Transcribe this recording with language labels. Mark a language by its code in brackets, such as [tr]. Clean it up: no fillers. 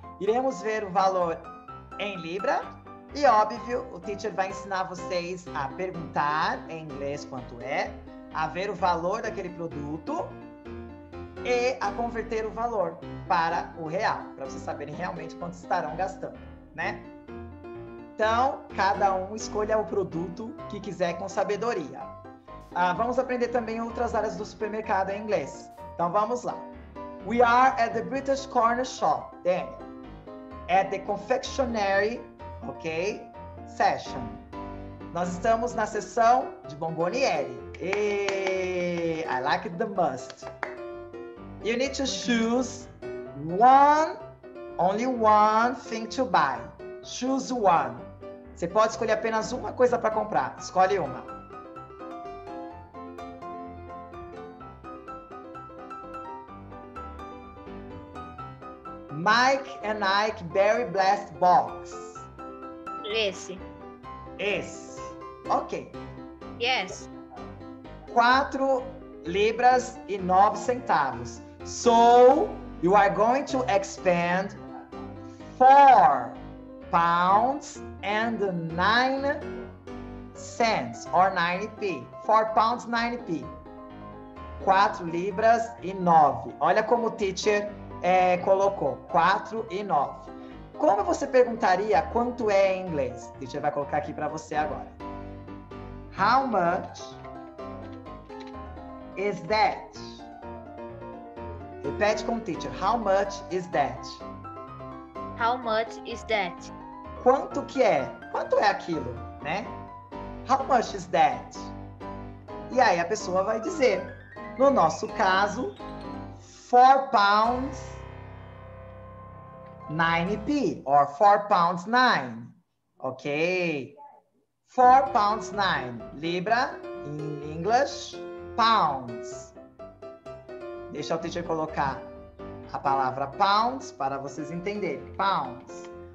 [pt] Iremos ver o valor em libra. E óbvio, o teacher vai ensinar vocês a perguntar em inglês quanto é, a ver o valor daquele produto e a converter o valor para o real, para vocês saberem realmente quanto estarão gastando, né? Então, cada um escolha o produto que quiser com sabedoria. Vamos aprender também outras áreas do supermercado em inglês. Então, vamos lá. [en] We are at the British Corner Shop, Daniel. At the confectionery... Ok? Session. [pt] Nós estamos na sessão de bomboniere. [en] I like the must. You need to choose one, only one thing to buy. Choose one. [pt] Você pode escolher apenas uma coisa para comprar. Escolhe uma. [en] Mike and Ike Berry Blast Box. [pt] Esse. [en] Ok. Yes. [pt] 4 libras e 9 centavos. [en] So, you are going to expend 4 pounds and 9 cents or 9p. 4 pounds, 9p. [pt] 4 libras e 9. Olha como o teacher colocou. 4 e 9. Como você perguntaria quanto é em inglês? A gente vai colocar aqui para você agora. [en] How much is that? [pt] Repete com o teacher. [en] How much is that? How much is that? [pt] Quanto que é? Quanto é aquilo, né? [en] How much is that? [pt] E aí a pessoa vai dizer. No nosso caso, 4 pounds. [en] 9p, or 4 pounds 9, ok? 4 pounds 9, libra, in English, pounds. [pt] Deixa o teacher colocar a palavra pounds para vocês entenderem. Pounds.